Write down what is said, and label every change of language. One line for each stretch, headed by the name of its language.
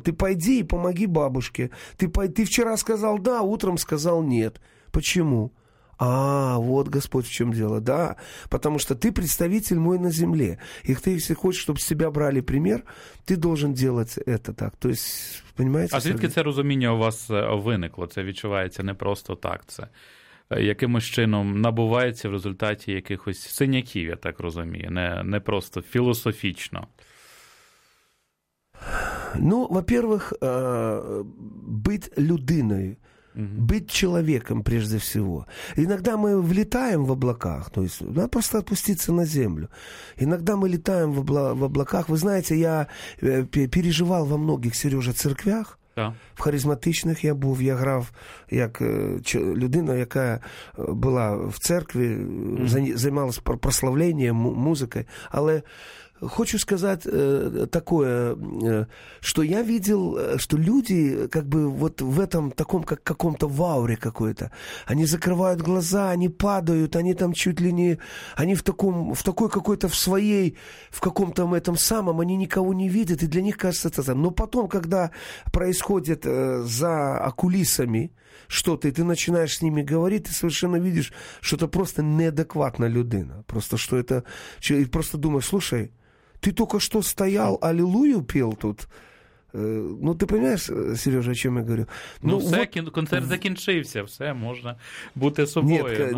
Russian: Ты пойди и помоги бабушке. Ты вчера сказал «да», а утром сказал «нет». Почему? А, вот Господь в чем дело. Да, потому что ты представитель мой на земле. И ты, если хочешь, чтобы с тебя брали пример, ты должен делать это так. То есть, понимаете?
Ukrainian: А звідки це розуміння у вас виникло? Це відчувається не просто так, це... якимось чином набувається в результаті якихось синяків, я так розумію, не просто філософічно. Ну, во-первых, бути людиною, бути чоловіком,
Russian: прежде всего.
Ukrainian: Іноді ми влітаємо в облаках, тобто треба просто опуститися на землю. Іноді ми літаємо в облаках. Ви знаєте, я переживав во многих, Сережа, церквях, в харизматичних я був, я грав як людина, яка була в церкві, займалась прославленням, музикою.
Russian: Але хочу сказати таке, що я бачив, що люди как бы, вот в этом таком, как каком-то вауре какой-то, вони закривають глаза, вони падають, вони там чуть ли не, вони в такой какой-то в своей, в каком-то этом самом, вони нікого не видят, і для них кажется це там. Но потом, когда происходит за окулисами что-то, и ты начинаешь с ними говорить, ты совершенно видишь, что это просто неадекватная людина. Просто что это... И просто думаешь, слушай, ты только что стоял, аллилуйю пел тут. Ну, ты понимаешь, Сережа, о чем я говорю? Ну все, вот...
Ukrainian: концерт закінчився, все, можно бути собою.